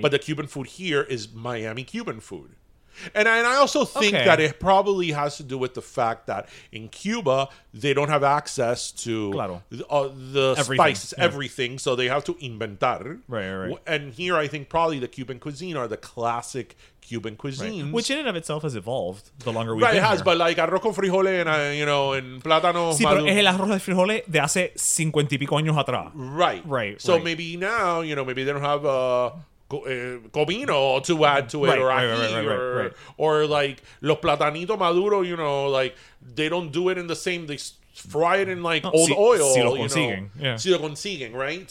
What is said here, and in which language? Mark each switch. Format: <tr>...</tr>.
<en>but the Cuban food here is Miami Cuban food. And I also think that it probably has to do with the fact that in Cuba, they don't have access to everything, so they have to inventar. Right. And here, I think probably the Cuban cuisine are the classic Cuban cuisines. Right. Which in and of itself has evolved the longer we've been here. Right, it has, but like arroz con frijoles and, you know, and plátano.</en> <es>Sí, pero es el arroz de frijoles de hace 50 y pico años atrás.</es> <en>Right. So maybe now, you know, maybe they don't have comino to add to it, or like</en> <es>los platanitos maduros,</es> <en>you know, like they don't do it in the same, they fry it in like old oil.</en> <es>Si lo consiguen.</es> <en>Yeah.</en> <es>Si lo consiguen,</es> <en>right?</en>